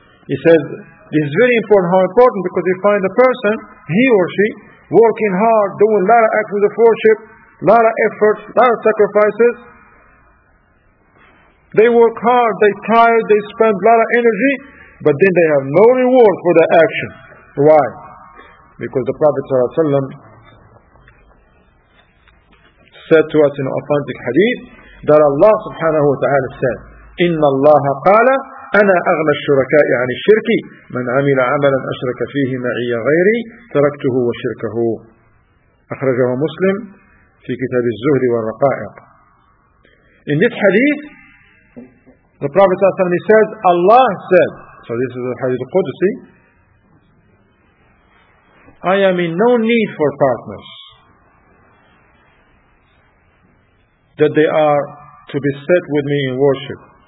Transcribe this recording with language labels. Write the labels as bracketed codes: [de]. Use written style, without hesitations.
[en] He says, this is very important, how important, because you find a person, he or she, working hard, doing a lot of acts of worship, a lot of efforts, a lot of sacrifices. They work hard, they tired, they spend a lot of energy, but then they have no reward for their action. Why? Because the Prophet ﷺ said to us in an authentic hadith, that Allah subhanahu wa ta'ala said, [ar] إِنَّ اللَّهَ قَالَ أَنَا أَغْنَى الشُّرَكَاءِ عَنِ الشِّرْكِ مَنْ عَمِلَ عَمَلًا أَشْرَكَ فِيهِ مَعِيَ غَيْرِي تَرَكْتُهُ وَشِرْكَهُ. أخرجه مسلم في كتاب الزهد والرقائق. [en] In this hadith, the Prophet ﷺ says, Allah said, so this is the hadith Qudsi, I am in no need for partners, that they are to be set with me in worship.